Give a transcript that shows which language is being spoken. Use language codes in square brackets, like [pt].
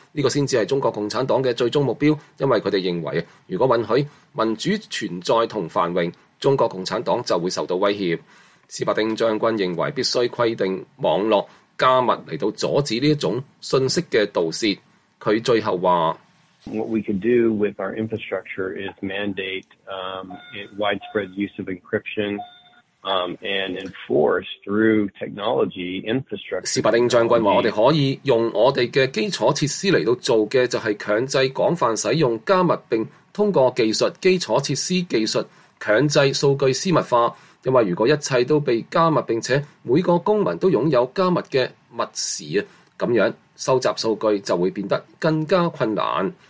[zh] 这个才是中国共产党的最终目标，因为他们认为如果允许民主存在和繁荣，中国共产党就会受到威胁。斯伯丁将军认为必须规定网络加密来到阻止这种信息的盗窃。他最后说， [en] What we could do with our infrastructure is mandate widespread use of encryption and enforce through technology infrastructure. [zh] 斯伯丁将军说，我们可以用我们的基础设施来做的就是强制广泛使用加密，并通过技术基础设施技术強制數據私密化，又話如果一切都被加密並且每個公民都擁有加密的密匙，這樣收集數據就會變得更加困難。